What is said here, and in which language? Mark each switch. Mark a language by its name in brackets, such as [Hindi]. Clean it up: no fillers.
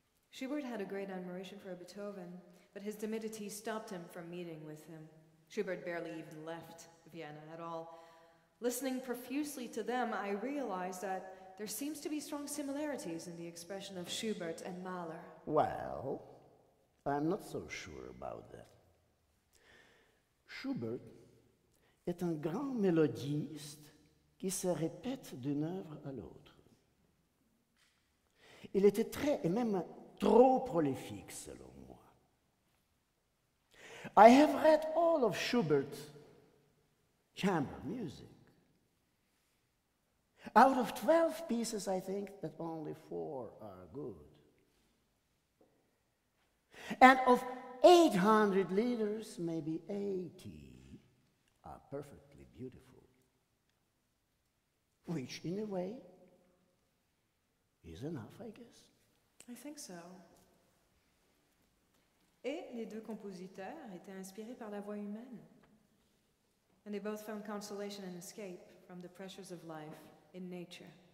[English] Schubert had a great admiration for Beethoven, but his timidity stopped him from meeting with him. Schubert barely even left Vienna at all. Listening profusely to them, I realized that there seems to be strong similarities in the expression of Schubert and Mahler. Well, I'm not so sure about that. [French] Schubert est un grand mélodiste qui se répète d'une œuvre à l'autre. Il était très et même trop prolifique, selon. [English] I have read all of Schubert's chamber music. Out of 12 pieces, I think that only 4 are good. And of 800 liters, maybe 80 are perfectly beautiful. Which, in a way, is enough, I guess. I think so. [French] Et les deux compositeurs étaient inspirés par la voix humaine. [English] And they both found consolation and escape from the pressures of life in nature.